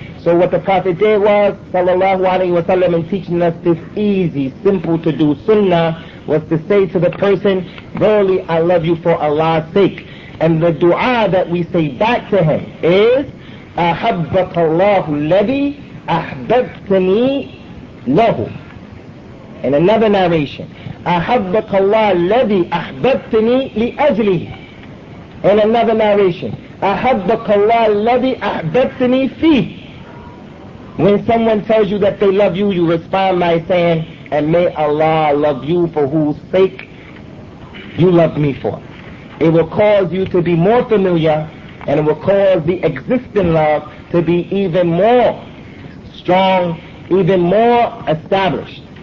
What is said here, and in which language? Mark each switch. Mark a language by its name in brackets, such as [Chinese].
[English] So what the Prophet did was, sallallahu alayhi wa sallam, in teaching us this easy, simple to do sunnah, was to say to the person, "Verily I love you for Allah's sake." And the dua that we say back to him is, [Arabic] "Ahabbaka Allahu alladhi ahbabtani lahu." [English] In another narration, [Arabic] "أَحَبَّكَ اللَّهُ الَّذِي أَحْبَبْتَنِي لِأَجْلِهِ." [English] In another narration, [Arabic] "أَحَبَّكَ اللَّهُ الَّذِي أَحْبَبْتَنِي فِيهِ." [English] When someone tells you that they love you, you respond by saying, "And may Allah love you for whose sake you love me for." It will cause you to be more familiar, and it will cause the existing love to be even more strong, even more established.